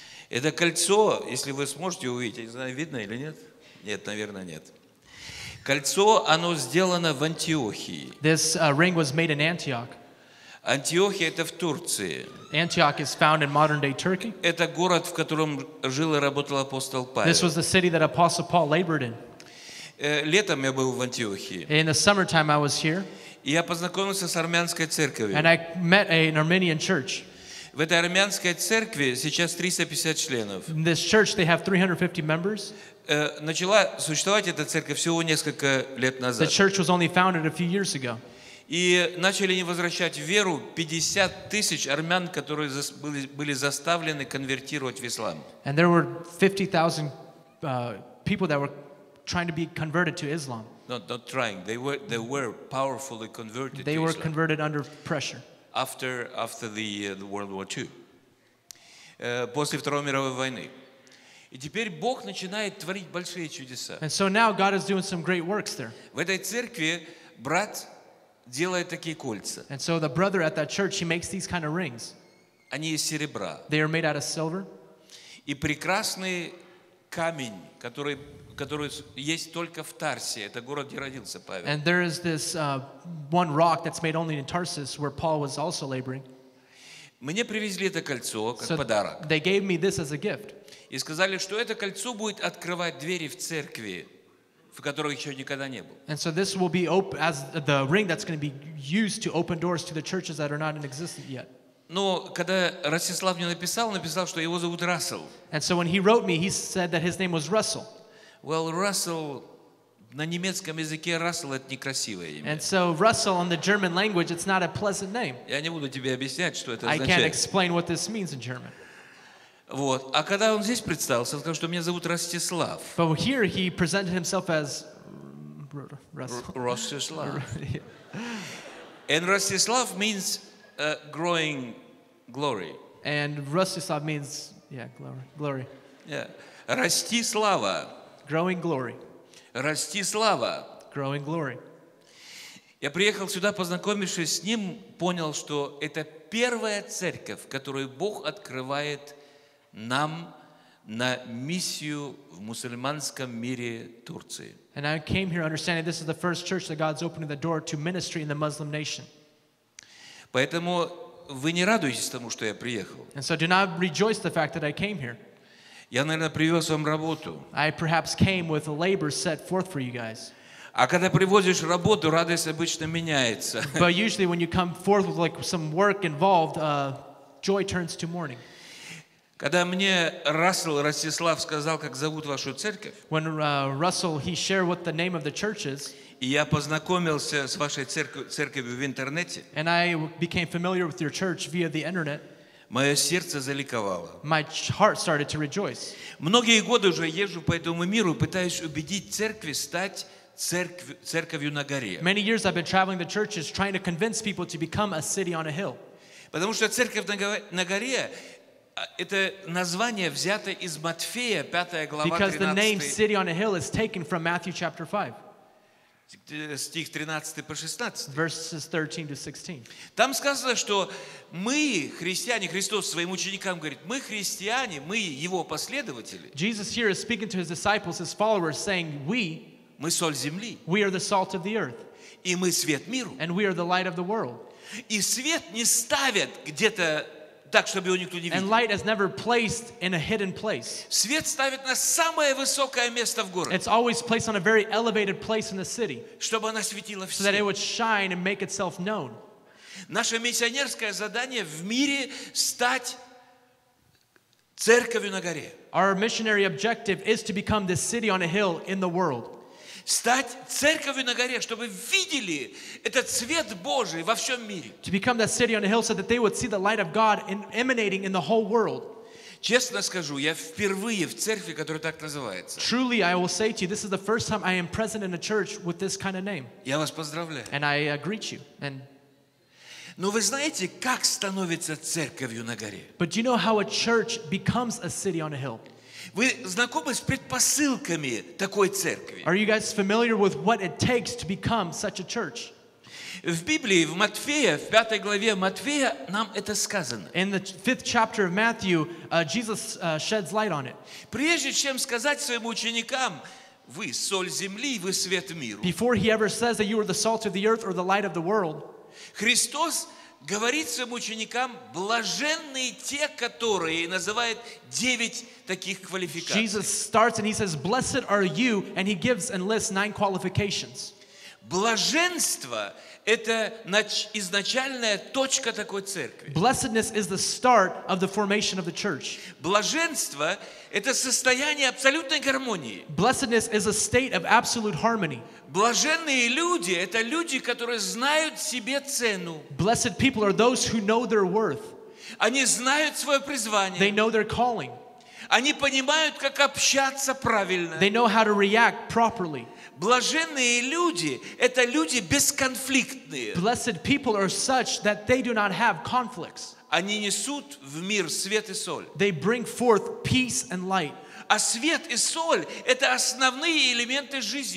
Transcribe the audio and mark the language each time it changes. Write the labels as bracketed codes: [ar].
[ru] Это кольцо, если вы сможете увидеть, я не знаю, видно или нет. Нет, наверное, нет. Кольцо, оно сделано в Антиохии. [en] This ring was made in Antioch. [ru] Антиохия – это в Турции. [en] Antioch is found in modern-day Turkey. [ru] Это город, в котором жил и работал апостол Павел. [en] This was the city that Apostle Paul labored in. [ru] Летом я был в Антиохии. [en] In the summertime I was here. [ru] И я познакомился с армянской церковью. [en] And I met an Armenian church. [ru] В этой армянской церкви сейчас 350 членов. [en] In this church they have 350 members. [ru] Начала существовать эта церковь всего несколько лет назад. [en] The church was only founded a few years ago. [ru] И начали не возвращать веру 50 тысяч армян, которые были заставлены конвертировать в ислам. [en] And there were 50,000 people that were trying to be converted to Islam. Not trying. They were powerfully converted to Islam. They were converted under pressure. After the World War II. [ru] После Второй мировой войны. И теперь Бог начинает творить большие чудеса. [en] And so now God is doing some great works there. [ru] В этой церкви брат делает такие кольца. [en] And so the brother at that church, he makes these kind of rings. [ru] Они из серебра. [en] They are made out of silver. [ru] И прекрасный камень, который есть только в Тарсе. Это город, где родился Павел. [en] And there is this one rock that's made only in Tarsus, where Paul was also laboring. [ru] Мне привезли это кольцо как подарок. [en] They gave me this as a gift. [ru] И сказали, что это кольцо будет открывать двери в церкви, в которой еще никогда не был. [en] And so this will be as the ring that's going to be used to open doors to the churches that are not in existence yet. [ru] Но когда Ростислав мне написал, что его зовут Рассел. [en] And so when he wrote me, he said that his name was Russell. Well, [ru] Russell, на немецком языке Russell — это некрасивое имя. [en] And so Russell in the German language, it's not a pleasant name. [ru] Я не буду тебе объяснять, что это означает. [en] I can't explain what this means in German. [ru] Вот. А когда он здесь представился, сказал, что меня зовут Ростислав. [en] But here he presented himself as Ростислав. And Ростислав means growing glory. And Ростислав means glory. Yeah. [ru] Расти слава. [en] Growing glory. [ru] Расти слава. [en] Growing glory. [ru] Я приехал сюда, познакомившись с ним, понял, что это первая церковь, которую Бог открывает нам на миссию в мусульманском мире Турции. [en] And I came here understanding this is the first church that God's opening the door to ministry in the Muslim nation. [ru] Поэтому вы не радуйтесь тому, что я приехал. [en] And so do not rejoice the fact that I came here. [ru] Я, наверное, привез вам работу. [en] I perhaps came with a labor set forth for you guys. [ru] А когда привозишь работу, радость обычно меняется. [en] But usually when you come forth with like some work involved, joy turns to mourning. [ru] Когда мне Рассел Ростислав сказал, как зовут вашу церковь, [en] when Russell he shared what the name of the church is, [ru] и я познакомился с вашей церковью в интернете, [en] and I became familiar with your church via the internet, [ru] мое сердце заликовало. [en] My heart started to rejoice. [ru] Многие годы уже езжу по этому миру, пытаюсь убедить церкви стать церковью на горе. [en] Many years I've been traveling the churches, trying to convince people to become a city on a hill. [ru] Потому что церковь на горе — это название взято из Матфея, 5 глава, 13. [en] Because the name City on a Hill is taken from Matthew chapter 5. [ru] Стих 13 по 16. [en] Verses 13-16. [ru] Там сказано, что мы, христиане, Христос своим ученикам говорит, мы христиане, мы его последователи. [en] Jesus here is speaking to his disciples, his followers, saying, we, [ru] мы соль земли. [en] We are the salt of the earth. [ru] И мы свет миру. [en] And we are the light of the world. [ru] И свет не ставят где-то так, чтобы его никто не видел. [en] And light is never placed in a hidden place. [ru] Свет ставят на самое высокое место в городе. [en] It's always placed on a very elevated place in the city. [ru] Чтобы она светила всем. [en] So that it would shine and make itself known. [ru] Наше миссионерское задание в мире стать церковью на горе. [en] Our missionary objective is to become the city on a hill in the world. [ru] Стать церковью на горе, чтобы видели этот свет Божий во всем мире. [en] To become that city on a hill so that they would see the light of God emanating in the whole world. [ru] Честно скажу, я впервые в церкви, которая так называется. [en] Truly, I will say to you, this is the first time I am present in a church with this kind of name. [ru] Я вас поздравляю. [en] And I greet you. [ru] Но вы знаете, как становится церковью на горе? [en] But you know how a church becomes a city on a hill? [ru] Вы знакомы с предпосылками такой церкви? [en] Are you guys familiar with what it takes to become such a church? [ru] В Библии, в Матфея, в пятой главе Матфея нам это сказано. [en] In the fifth chapter of Matthew, Jesus sheds light on it. [ru] Прежде чем сказать своим ученикам, вы соль земли, вы свет миру. [en] Before he ever says that you are the salt of the earth or the light of the world. [ru] Христос говорит своим ученикам, блаженные те, которые, называет девять таких квалификаций. [en] Jesus starts and he says, blessed are you, and he gives and lists nine qualifications. [ru] Блаженство – это изначальная точка такой церкви. [en] Blessedness is the start of the formation of the church. [ru] Блаженство – это состояние абсолютной гармонии. [en] Blessedness is a state of absolute harmony. [ru] Блаженные люди – это люди, которые знают себе цену. [en] Blessed people are those who know their worth. [ru] Они знают свое призвание. [en] They know their calling. [ru] Они понимают, как общаться правильно. [en] They know how to react properly. [ru] Блаженные люди – это люди бесконфликтные. [en] Blessed people are such that they do not have conflicts. [ru] Они несут в мир свет и соль. [en] They bring forth peace and light. [ru] А свет и соль – это основные элементы жизни.